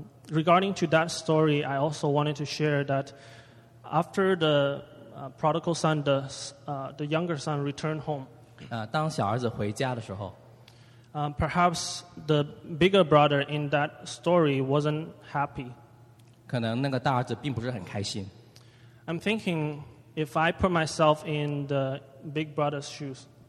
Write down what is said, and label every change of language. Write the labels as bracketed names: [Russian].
[English] Regarding to that story, I also wanted to share that after the prodigal son, the younger son returned home. [Chinese] 当小儿子回家的时候, [English] perhaps the bigger brother in that story wasn't happy. [Chinese] 可能那个大儿子并不是很开心。 [English] I'm thinking if I put myself in the big brother's shoes.